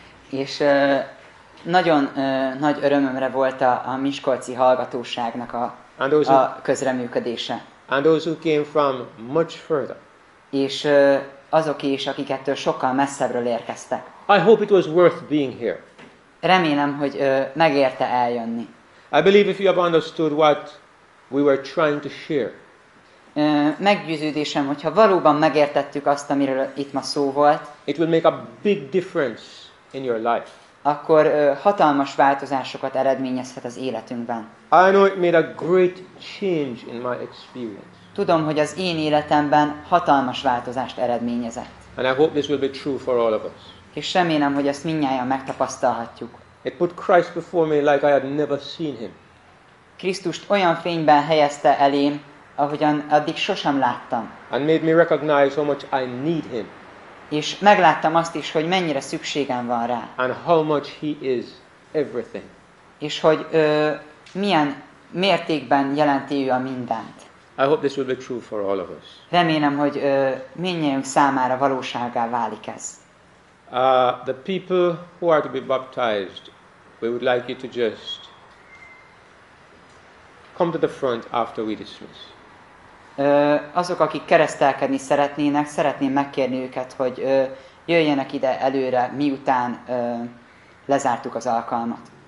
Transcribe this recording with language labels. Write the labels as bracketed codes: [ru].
[hu] És nagyon nagy örömömre volt a miskolci hallgatóságnak a közreműködése. [en] And those who came from much further. [hu] És azok is, akik ettől sokkal messzebbről érkeztek. [en] I hope it was worth being here. [hu] Remélem, hogy megérte eljönni. [en] I believe if you have understood what we were trying to share. [hu] Meggyőződésem, hogyha valóban megértettük azt, amiről itt ma szó volt. [en] It will make a big difference in your life. [hu] Akkor hatalmas változásokat eredményezhet az életünkben. [en] I know it made a great change in my experience. [hu] Tudom, hogy az én életemben hatalmas változást eredményezett. [en] And I hope this will be true for all of us. [hu] És remélem, hogy ezt mindnyájan megtapasztalhatjuk. [en] It put Christ before me like I had never seen him. [hu] Krisztust olyan fényben helyezte elém, ahogyan addig sosem láttam. [en] And made me recognize how much I need him. [hu] És megláttam azt is, hogy mennyire szükségem van rá. [en] And how much he is everything. [hu] És hogy milyen mértékben jelenti ő a mindent. [en] I hope this will be true for all of us. [hu] Remélem, hogy mindnyájunk számára valósággá válik ez. [en] The people who are to be baptized, we would like you to just come to the front after we dismiss. [hu] Azok, akik keresztelkedni szeretnének, szeretném megkérni őket, hogy jöjjenek ide előre, miután lezártuk az alkalmat.